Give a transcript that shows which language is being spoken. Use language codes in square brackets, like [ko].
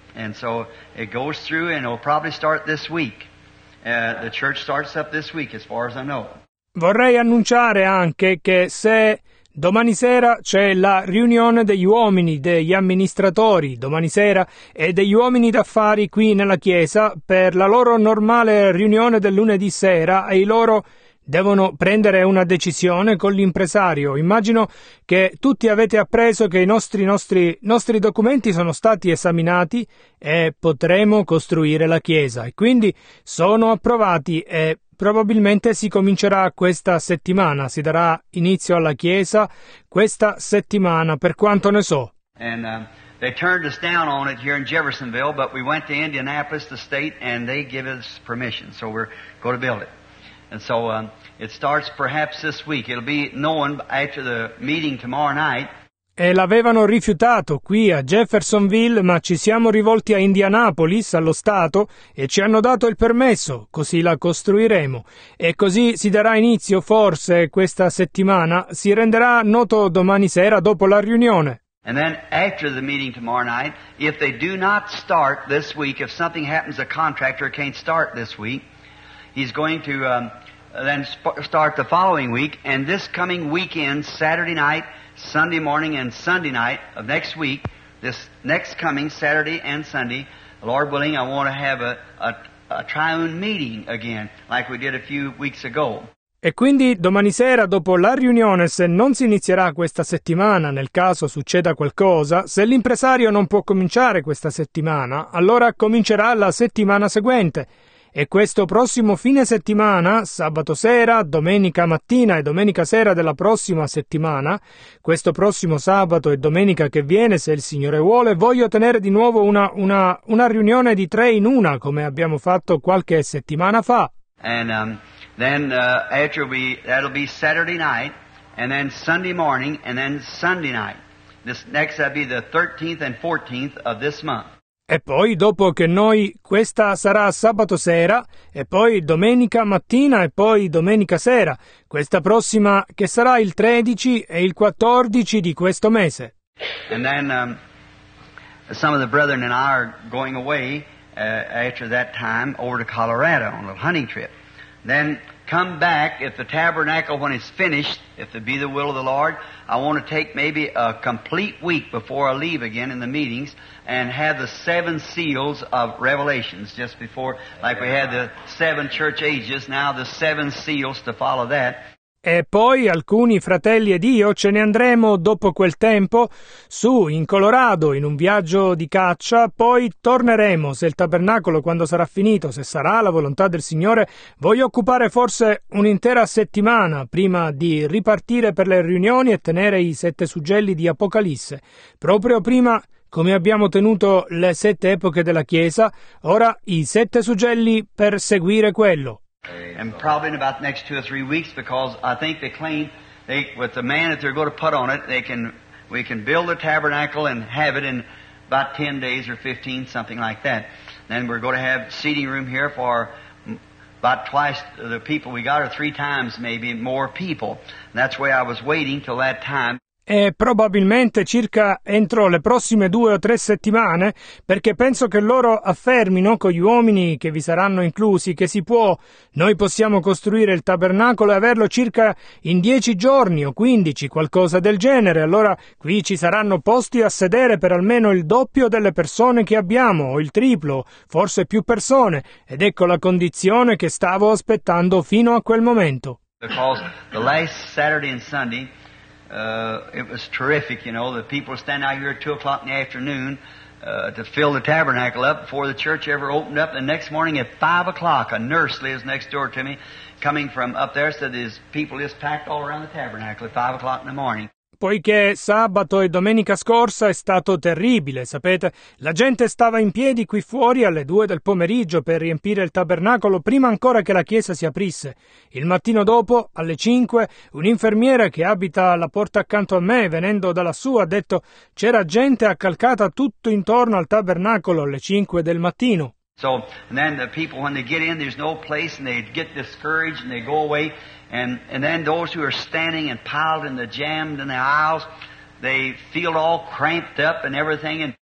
[en] And so it goes through, and it'll probably start this week. The church starts up this week, as far as I know. [it] Vorrei annunciare anche che se... Domani sera c'è la riunione degli uomini, degli amministratori, domani sera, e degli uomini d'affari qui nella chiesa per la loro normale riunione del lunedì sera e i loro devono prendere una decisione con l'impresario. Immagino che tutti avete appreso che i nostri documenti sono stati esaminati e potremo costruire la chiesa. E quindi sono approvati e... Probabilmente si comincerà questa settimana, si darà inizio alla chiesa questa settimana, per quanto ne so. [en] And they turned us down on it here in Jeffersonville, but we went to Indianapolis, the state, and they give us permission, so we're going to build it. And so it starts perhaps this week. It'll be known after the meeting tomorrow night. [it] E l'avevano rifiutato qui a Jeffersonville, ma ci siamo rivolti a Indianapolis, allo Stato, e ci hanno dato il permesso, così la costruiremo. E così si darà inizio, forse, questa settimana, si renderà noto domani sera dopo la riunione. [en] And then after the meeting tomorrow night, if they do not start this week, if something happens, a contractor can't start this week, he's going to then start the following week, and this coming weekend, Saturday night, Sunday morning and Sunday night of next week, this next coming Saturday and Sunday, Lord willing, I want to have a triune meeting again, like we did a few weeks ago. [it] E quindi domani sera, dopo la riunione, se non si inizierà questa settimana, nel caso succeda qualcosa, se l'impresario non può cominciare questa settimana, allora comincerà la settimana seguente. E questo prossimo fine settimana, sabato sera, domenica mattina e domenica sera della prossima settimana, questo prossimo sabato e domenica che viene, se il Signore vuole, voglio tenere di nuovo una riunione di tre in una, come abbiamo fatto qualche settimana fa. [en] And then that'll be Saturday night, and then Sunday morning, and then Sunday night. This next that'll be the 13th and 14th of this month. [it] E poi dopo che noi, questa sarà sabato sera, e poi domenica mattina, e poi domenica sera, questa prossima che sarà il 13 e il 14 di questo mese. [en] And then some of the brethren and I are going away after that time over to Colorado on a little hunting trip. Then come back, if the tabernacle, when it's finished, if it be the will of the Lord, I want to take maybe a complete week before I leave again in the meetings and have the seven seals of Revelations just before, like we had the seven church ages, now the seven seals to follow that. [it] E poi alcuni fratelli ed io ce ne andremo dopo quel tempo su in Colorado in un viaggio di caccia, poi torneremo se il tabernacolo quando sarà finito, se sarà la volontà del Signore, voglio occupare forse un'intera settimana prima di ripartire per le riunioni e tenere i sette suggelli di Apocalisse, proprio prima come abbiamo tenuto le sette epoche della Chiesa, ora i sette suggelli per seguire quello. [en] And probably in about the next two or three weeks, because I think they claim they, with the man that they're going to put on it, they can, we can build the tabernacle and have it in about 10 days or 15, something like that. Then we're going to have seating room here for about twice the people we got, or three times maybe more people. And that's why I was waiting till that time. [it] E probabilmente circa entro le prossime due o tre settimane, perché penso che loro affermino con gli uomini che vi saranno inclusi che si può, noi possiamo costruire il tabernacolo e averlo circa in 10 giorni o 15, qualcosa del genere. Allora qui ci saranno posti a sedere per almeno il doppio delle persone che abbiamo, o il triplo, forse più persone, ed ecco la condizione che stavo aspettando fino a quel momento. [en] Because the last Saturday and Sunday, it was terrific, you know, the people stand out here at 2 o'clock in the afternoon to fill the tabernacle up before the church ever opened up. The next morning at 5 o'clock, a nurse lives next door to me, coming from up there, said there's people just packed all around the tabernacle at 5 o'clock in the morning. [it] Poiché sabato e domenica scorsa è stato terribile, sapete, la gente stava in piedi qui fuori alle 2 del pomeriggio per riempire il tabernacolo prima ancora che la chiesa si aprisse. Il mattino dopo, alle 5, un'infermiera che abita alla porta accanto a me, venendo dalla sua, ha detto c'era gente accalcata tutto intorno al tabernacolo alle 5 del mattino. [en] So, and then the people, when they get in, there's no place, and they get discouraged, and they go away. And then those who are standing and piled in the jammed in the aisles, they feel all cramped up and everything.